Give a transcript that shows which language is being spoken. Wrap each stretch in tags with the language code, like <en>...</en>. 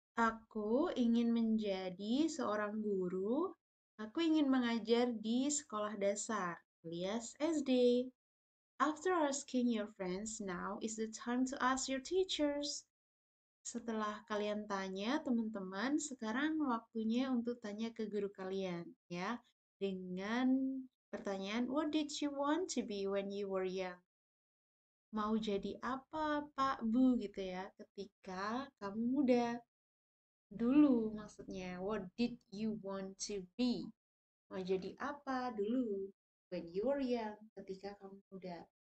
<id>Aku ingin menjadi seorang guru. Aku ingin mengajar di sekolah dasar, alias SD.</id> <en>After asking your friends, now is the time to ask your teachers.</en> <id>Setelah kalian tanya teman-teman, sekarang waktunya untuk tanya ke guru kalian, ya. Dengan pertanyaan,</id> <en>what did you want to be when you were young?</en> <id>Mau jadi apa, Pak, Bu, gitu ya, ketika kamu muda. Dulu maksudnya,</id> <en>what did you want to be?</en> <id>Mau jadi apa dulu,</id> <en>when you were young,</en> <id>ketika kamu muda.</id>